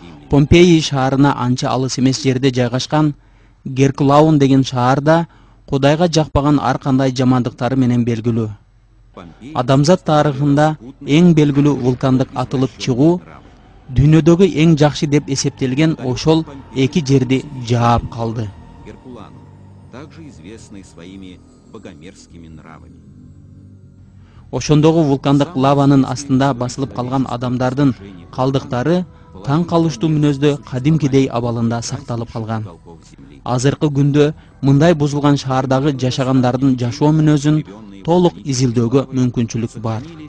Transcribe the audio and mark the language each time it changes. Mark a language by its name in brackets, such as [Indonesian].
[Kyrgyz] Помпея шаарына анча алыс эмес жерде жайгашкан Геркулаун деген шаар да Кудайга жакпаган ар кандай жамандыктары менен белгилүү. Адамзат тарыхында эң белгилүү вулкандык атылып чыгуу дүйнөдөгү эң жакшы деп эсептелген ошол эки жерди жаап калды. [Russian] Геркулану, также известный своими богомерзкими нравами. [Kyrgyz] Ошондогу вулкандык лаванын астында басылып калган адамдардын калдыктары таң калыштуу мүнөздө кадимкидей абалында сакталып калган. Азыркы күндө мындай бузулган шаардагы жашагандардын жашоо мүнөзүн толук изилдөөгө мүмкүнчүлүк бар.